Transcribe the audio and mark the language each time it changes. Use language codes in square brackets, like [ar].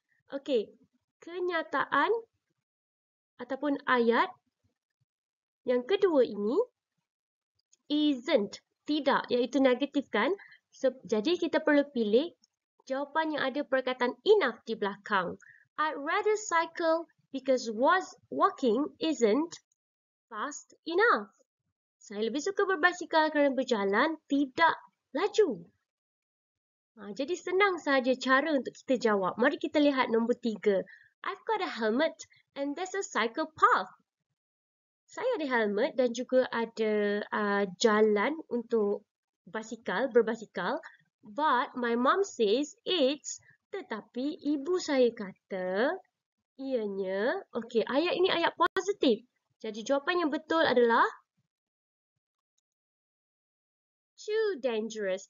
[ms] Okey, kenyataan ataupun ayat yang kedua ini isn't, tidak, iaitu negatif kan? Jadi kita perlu pilih jawapan yang ada perkataan enough di belakang. [en] I rather cycle because walking isn't fast enough. [ms] Saya lebih suka berbasikal kerana berjalan tidak laju. Jadi senang sahaja cara untuk kita jawab. Mari kita lihat nombor 3. [en] I've got a helmet and there's a cycle path. [ms] Saya ada helmet dan juga ada jalan untuk berbasikal. [en] But my mom says it's, [ms] tetapi ibu saya kata ianya. Okey, ayat ini ayat positif. Jadi jawapan yang betul adalah [en] too dangerous.